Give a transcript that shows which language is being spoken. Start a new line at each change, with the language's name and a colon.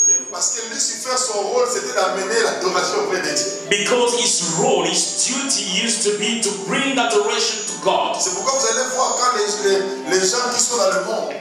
French: Parce que Lucifer, son rôle, c'était d'amener l'adoration auprès de Dieu.
English: Because his role, his duty used to be to bring that adoration to God.
French: C'est pourquoi vous allez voir quand les gens qui sont dans le monde.